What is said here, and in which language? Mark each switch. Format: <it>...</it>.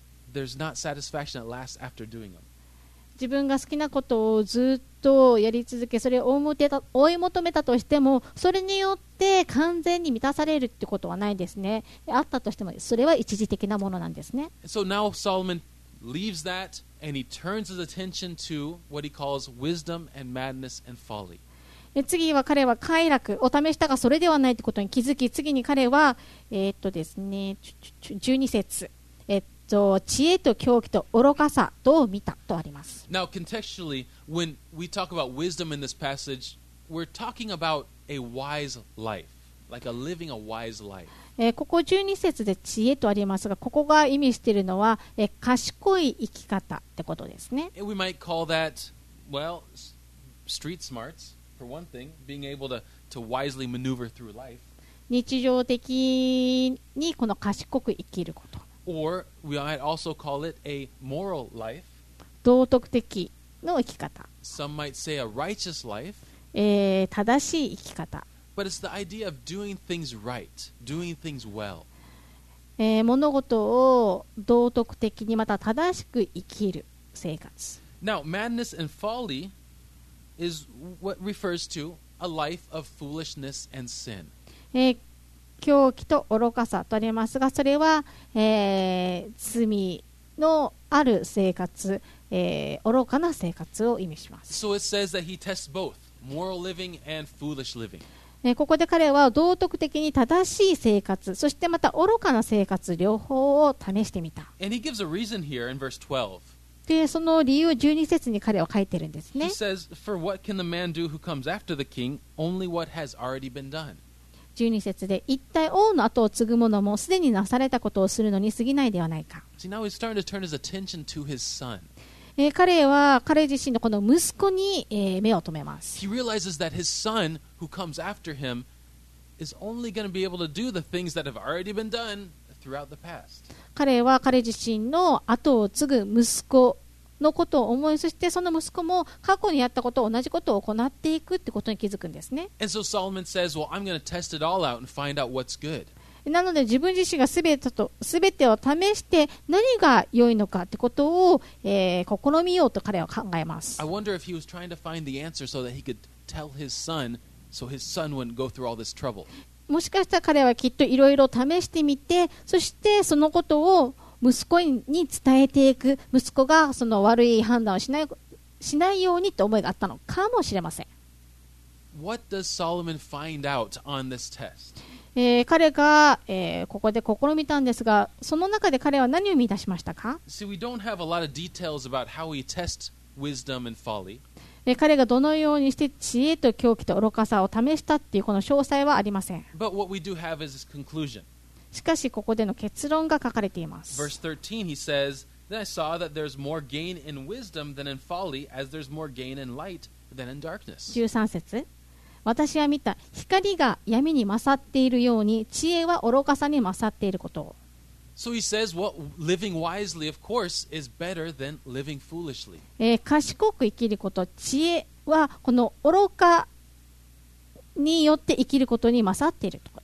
<en>There's not satisfaction that lasts after doing them.</en> <ja>自分が好きなことをずっとやり続け、それを追い求めたとしても、それによって完全に満たされるってことはないですね。あったとしても、それは一時的なものなんですね。</ja> <en>So now Solomon leaves that and he turns his attention to what he calls wisdom and madness and folly.</en> <ja>次は彼は快楽を試したがそれではないってことに気づき、次に彼は、ですね、12節。知恵と狂気と愚かさどう見たとあります。</ja> <en>Now, contextually, when we talk about wisdom in this passage, we're talking about a wise life, like a living a wise life.</en> <ja>ここ12節で知恵とありますが、ここが意味しているのは、賢い生き方ってことですね。</ja> <en>We might call that, well, street smarts, for one thing, being able to wisely maneuver through life.</en> <ja>日常的にこの賢く生きること。</ja> <en>Or we might also call it a moral life.</en> <ja>道徳的の生き方。</ja> <en>Some might say a righteous life.</en> <ja>正しい生き方。</ja> <en>But it's the idea of doing things right, doing things well.</en> <ja>物事を道徳的にまた正しく生きる生活。</ja> <en>Now, madness and folly is what refers to a life of foolishness and sin.</en> <ja>狂気と愚かさとありますが、それは、罪のある生活、愚かな生活を意味します。</ja> <en>So it says that he tests both moral living and foolish living.</en> <ja>ここで彼は道徳的に正しい生活、そしてまた愚かな生活両方を試してみた。</ja> <en>And he gives a reason here in verse 12.</en> <ja>で、その理由を12節に彼は書いてるんですね。</ja> <en>He says, "For what can the man do who comes after the king? Only what has already been done."</en> <ja>12節で一体王の後を継ぐ者もすでになされたことをするのに過ぎないではないか。</ja> <en>See,</en> <ja>彼は彼自身のこの息子に、目を留めます。</ja> <en>He realizes that his son who comes after him is only going to be able to do the things that have already been done throughout the past.</en> <ja>彼は彼自身の後を継ぐ息子のことを思い、そしてその息子も過去にやったことを同じことを行っていくってことに気づくんですね。</ja> <en>And so Solomon says, well, I'm going to test it all out and find out what's good.</en> <ja>なので自分自身がすべてを試して何が良いのかってことを、試みようと彼は考えます。</ja> <en>I wonder if he was trying to find the answer so that he could tell his son so his son wouldn't go through all this trouble.</en> <ja>もしかしたら彼はきっといろいろ試してみて、そしてそのことを息子に伝えていく、息子がその悪い判断をしないようにって思いがあったのかもしれません。</ja> <en>What does Solomon find out on this test?</en> <ja>彼が、ここで試みたんですが、その中で彼は何を見出しましたか？</ja> <en>See, we don't have a lot of details about how he tests wisdom and folly.</en> <ja>彼がどのようにして知恵と狂気と愚かさを試したっていうこの詳細はありません。</ja> <en>But what we do have is his conclusion.</en> <ja>しかしここでの結論が書かれています。</ja> <en>Verse 13, he says, Then I saw that there's more gain in wisdom than in folly, as there's more gain in light than in darkness.</en> <ja>13節。私は見た、光が闇に勝っているように、知恵は愚かさに勝っていることを。</ja> <en>So he says, well, living wisely, of course, is better than living foolishly.</en> <ja>賢く生きること、知恵はこの愚かによって生きることに勝っていると。</ja>